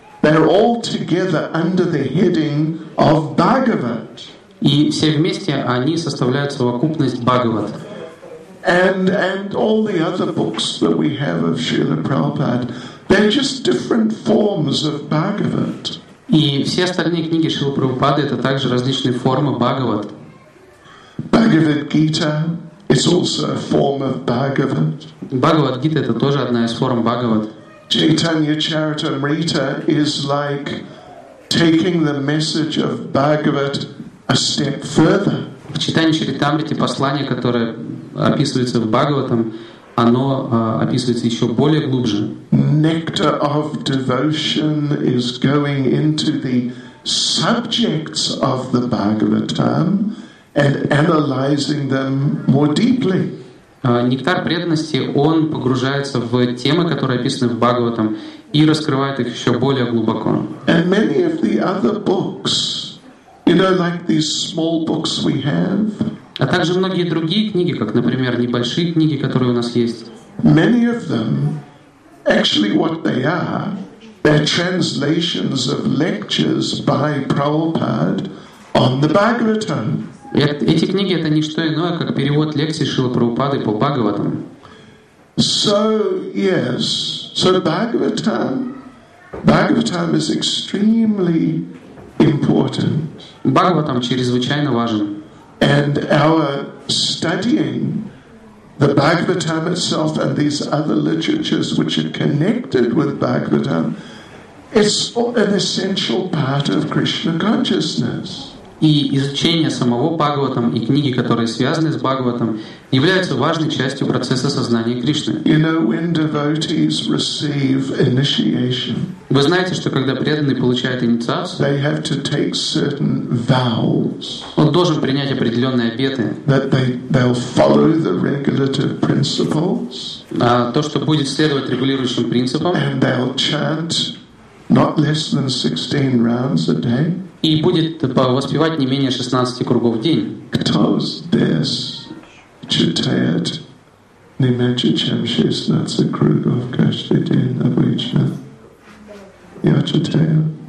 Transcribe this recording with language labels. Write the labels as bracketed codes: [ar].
[en] They're all together under the heading of Bhagavat. [ru] И все вместе они составляют совокупность Бхагавата. [en] And all the other books that we have of Srila Prabhupada, they're just different forms of Bhagavat. [ru] И все остальные книги Шрилы Прабхупады — это также различные формы Бхагават. [en] Bhagavad Gita is also a form of Bhagavat. [ru] Bhagavad Gita — это тоже одна из форм Бхагават. [en] Chaitanya Charitamrita is like taking the message of Bhagavat a step further. [ru] В Чайтанье Чаритамрите послание, которое описывается в Бхагаватам, оно описывается еще более глубже. [en] Nectar of devotion is going into the subjects of the Bhagavatam and analyzing them more deeply. [ru] Нектар преданности, он погружается в темы, которые описаны в Бхагаватам, и раскрывает их еще более глубоко. [en] And many of the other books, you know, like these small books we have. [ru] А также многие другие книги, как, например, небольшие книги, которые у нас есть. [en] Many of them, actually, what they are, they're translations of lectures by Prabhupada on the Bhagavatam. [ru] Эти книги — это не что иное, как перевод лекций Шрилы Прабхупады по Бхагаватам. [en] So yes, so Bhagavatam is extremely important. [ru] Бхагаватам чрезвычайно важен. [en] And our studying the Bhagavatam itself and these other literatures which are connected with Bhagavatam, it's an essential part of Krishna consciousness. [ru] И изучение самого Бхагаватам и книги, которые связаны с Бхагаватам, являются важной частью процесса сознания Кришны. [en] You know, when devotees receive initiation, [ru] вы знаете, что когда преданный получает инициацию, [en] they have to take certain vows, [ru] он должен принять определенные обеты, [en] that they'll follow the regulative principles, [ru] а то, что будет следовать регулирующим принципам, [en] and they'll chant not less than 16 rounds a day, [ru] и будет воспевать не менее 16 кругов в день. Кто здесь читает не меньше, чем 16 кругов каждый день обычно? Я читаю.